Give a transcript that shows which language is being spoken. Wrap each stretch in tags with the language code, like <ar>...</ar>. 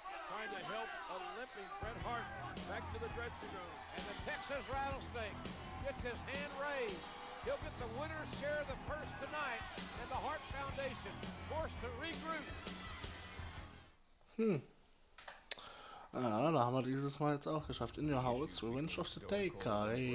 <en>Trying to help a limping Bret Hart back to the dressing room. And the Texas Rattlesnake gets his hand raised. He'll get the winner's share of the purse tonight, and the Hart Foundation forced to regroup.</en> <de>Ja, da haben wir dieses Mal jetzt auch geschafft.</de> <en>In your house, Revenge of the Taker.</en>